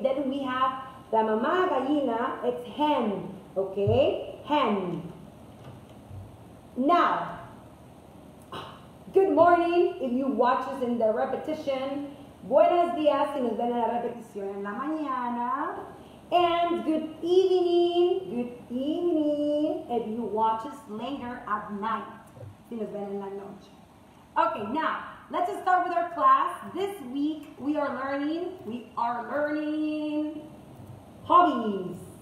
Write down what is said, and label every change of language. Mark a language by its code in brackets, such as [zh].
[en] Then we have [es] la mamá gallina, [en] it's hen, okay? Hen. Now, good morning if you watch us in the repetition. [es] Buenos días si nos ven en la repetición en la mañana. [en] And good evening, if you watch us later at night. [es] si nos ven en la noche. [en] Okay, now, let's just start with our class. This week, we are learning hobbies.